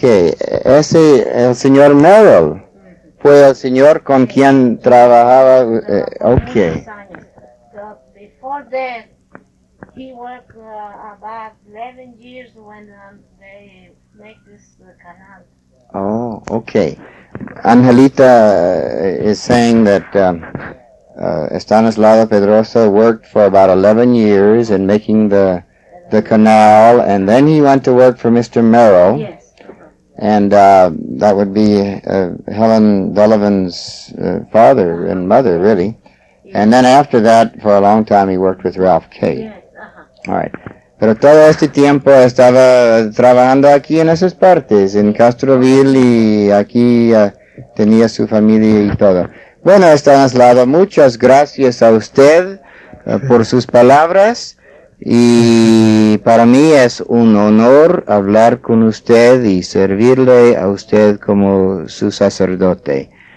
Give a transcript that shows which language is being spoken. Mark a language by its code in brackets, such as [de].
[es] Ese, el señor Merrill, fue el señor con quien trabajaba. Ok. [en] Before that, he worked about 11 years when they make this canal. Oh, ok. Angelita is saying that. Estanislao Pedroso worked for about 11 years in making the canal, and then he went to work for Mr. Merrill. Yes. And that would be Helen Dullivan's father and mother, really. And then after that, for a long time, he worked with Ralph Kay. Yes. Uh-huh. All right. [es] Pero todo este tiempo estaba trabajando aquí en esas partes, en Castroville, y aquí tenía su familia y todo. Bueno, Estanislao, muchas gracias a usted por sus palabras, y para mí es un honor hablar con usted y servirle a usted como su sacerdote.